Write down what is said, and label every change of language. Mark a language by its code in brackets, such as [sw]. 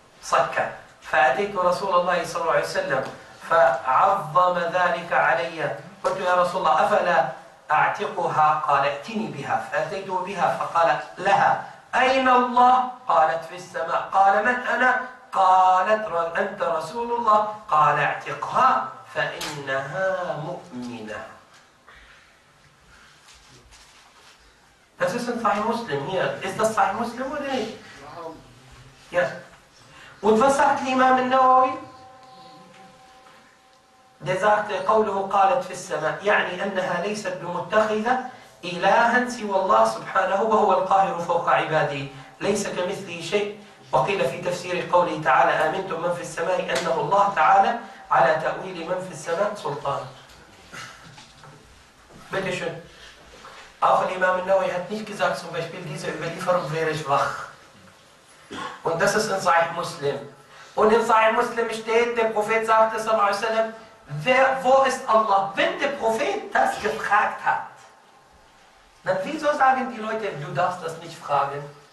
[ar] صكا فأتيت رسول الله صلى الله عليه وسلم فعظم ذلك علي قلت يا رسول الله أفلا أعتقها قال ائتني بها فأتيت بها فقالت لها أين الله قالت في السماء قال من أنا قالت أنت رسول الله قال اعتقها فإنها مؤمنة. [de] Das ist ein Sahih Muslim hier. Ist das Sahih Muslim oder nicht? Ja. Und was sagt Imam al-Nawawi? Der sagte, [ar] قوله قالت في السماء يعني أنها ليست بمتخذة إلها سوى الله سبحانه وهو القاهر فوق عباده ليس كمثله شيء. وقيل في تفسير قوله تعالى آمنتم من في السماء أنه الله تعالى على تأويل من في السماء سلطان. [de] Bitte schön. Auch Imam al-Nawawi hat nicht gesagt, zum Beispiel, diese Überlieferung wäre schwach. Und das ist in Sahih Muslim. Und in Sahih Muslim steht, der Prophet sagte, sallallahu alaihi wasallam, wer, wo ist Allah? Wenn der Prophet das gefragt hat, dann wieso sagen die Leute, du darfst das nicht fragen?